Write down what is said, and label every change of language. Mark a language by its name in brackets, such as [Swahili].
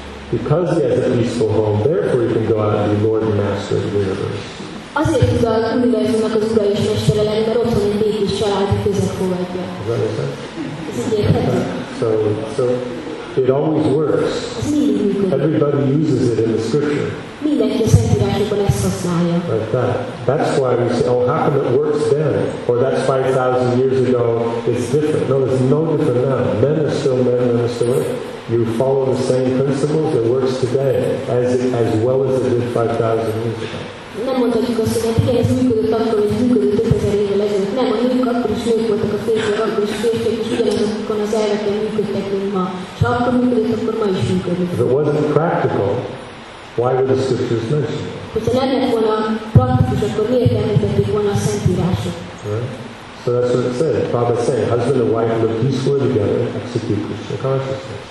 [English] Because he has a peaceful home, therefore he can go out and be Lord and Master of the universe. [Hungarian] Azért tud a univerzumnak az ura és mestere lenni, mert otthon egy békés családi közeg fogadja. Ez így érthető. [English] So it always works. Everybody uses it in the scripture. [Hungarian] Mindenki a szentírásokban ezt használja. [English] Like that. That's why we say, oh, how come it works then? Or that's 5,000 years ago, it's different. No, it's no different now. Men are still men, men are still men. You follow the same principles, it works today as well as it did 5,000 years ago. [Hungarian] Nem mondhatjuk azt, hogy igen, ez működött akkor, hogy működött 5000 évvel ezelőtt. Nem, a nők akkor is nők voltak, a férfiak akkor is férfiak, és ugyanazokon az elveken működtek, mint ma. És ha akkor működött, akkor ma is működött. [English] If it wasn't practical, why were the scriptures mentioned? [Hungarian] Hogyha nem lett volna praktikus, akkor miért említették volna a szentírások? [English] So that's what it said. Prabhupada said, husband and wife live peacefully together, execute Krishna consciousness.